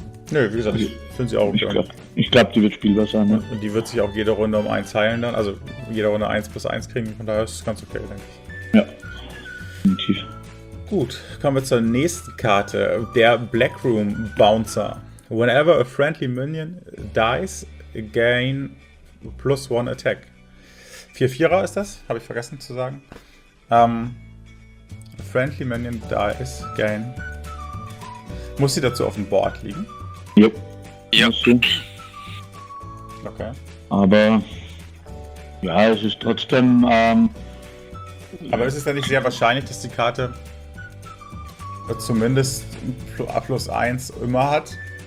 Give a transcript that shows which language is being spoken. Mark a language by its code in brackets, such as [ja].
[de] Nö, wie gesagt, ich finde sie auch okay. Ich glaube, die wird spielbar sein, ne? Und die wird sich auch jede Runde um 1 heilen dann, also jede Runde 1/1 kriegen, von daher ist es ganz okay, denke ich. Ja, definitiv. Gut, kommen wir zur nächsten Karte, der Blackroom Bouncer. [en] Whenever a friendly minion dies, gain +1 attack. [de] 4-4er ist das, habe ich vergessen zu sagen. [en] Friendly Minion dies, gain. [de] Muss sie dazu auf dem Board liegen? [en] Yep. [de] Ja. Okay. Aber ja, es ist trotzdem aber ist es dann nicht sehr wahrscheinlich, dass die Karte zumindest +1 immer hat?